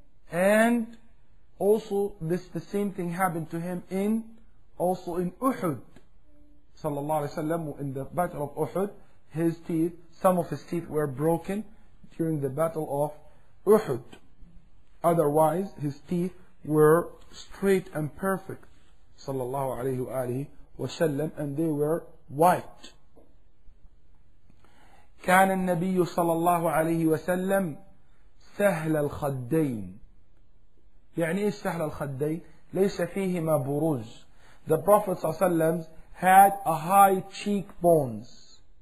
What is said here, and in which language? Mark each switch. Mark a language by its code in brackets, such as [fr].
[en] And also this, the same thing happened to him in Uhud, sallallahu alayhi wa sallam, in the battle of Uhud. His teeth, some of his teeth were broken during the battle of Uhud. Otherwise, his teeth were straight and perfect, sallallahu alayhi wa sallam, and they were white. [ar] كان النبي صلى الله عليه وسلم سهل الخدين. يعني إيه سهل الخدين؟ ليس فيهما بروز. [en] The Prophet صلى الله عليه وسلم had a high cheekbones.